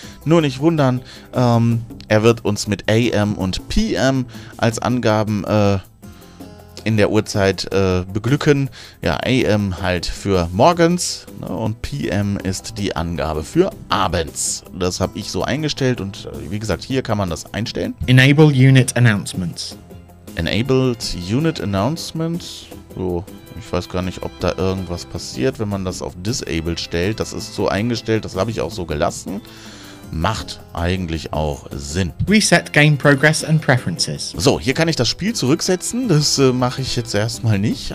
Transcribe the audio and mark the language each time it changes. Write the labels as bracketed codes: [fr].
[de] Nur nicht wundern, er wird uns mit AM und PM als Angaben in der Uhrzeit beglücken. Ja, AM halt für morgens, ne, und PM ist die Angabe für abends. Das habe ich so eingestellt und wie gesagt, hier kann man das einstellen. [en] Enable Unit Announcements. Enabled Unit Announcements. [de] So, ich weiß gar nicht, ob da irgendwas passiert, wenn man das auf Disabled stellt. Das ist so eingestellt, das habe ich auch so gelassen. Macht eigentlich auch Sinn. [en] Reset Game Progress and Preferences. [de] So, hier kann ich das Spiel zurücksetzen. Das mache ich jetzt erstmal nicht.